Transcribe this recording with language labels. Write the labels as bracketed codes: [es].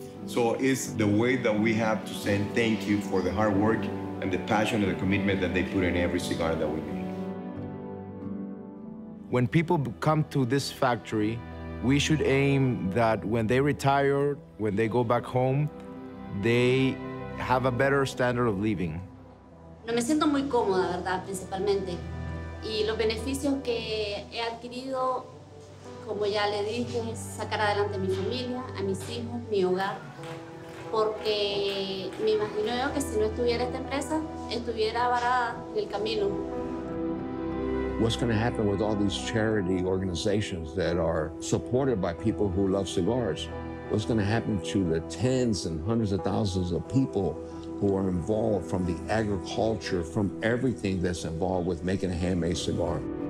[en] So it's the way that we have to say thank you for the hard work and the passion and the commitment that they put in every cigar that we make. When people come to this factory, we should aim that when they retire, when they go back home, they have a better standard of living. [es] No, me siento muy cómoda, verdad, principalmente. Y los beneficios que he adquirido, como ya le dije, es sacar adelante a mi familia, a mis hijos, mi hogar. Porque me imagino yo que si no estuviera esta empresa, estuviera varada en el camino. [en] What's going to happen with all these charity organizations that are supported by people who love cigars? What's going to happen to the tens and hundreds of thousands of people who are involved from the agriculture, from everything that's involved with making a handmade cigar?